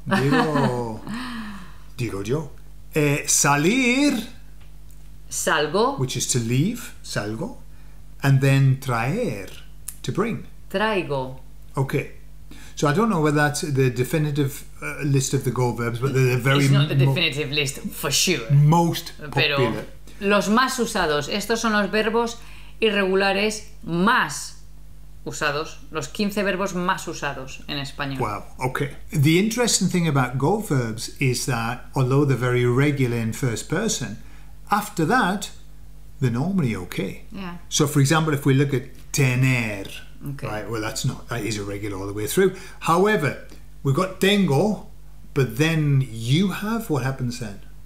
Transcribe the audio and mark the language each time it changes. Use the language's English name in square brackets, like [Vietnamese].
[Spanish] Digo. Digo yo. Salir. Salgo. [English] Which is to leave. Salgo. And then traer, to bring. [Spanish] Traigo. [English] Okay. So I don't know whether that's the definitive list of the go verbs, but they're very... It's not the definitive list, for sure. Most popular. [Spanish] Pero los más usados. Estos son los verbos irregulares más usados, los 15 verbos más usados en español. [English] Wow, okay. The interesting thing about go verbs is that although they're very irregular in first person, after that, they're normally okay. Yeah. So for example, if we look at tener, okay. Right, well that is irregular all the way through. However, we've got tengo, but then you have, what happens then?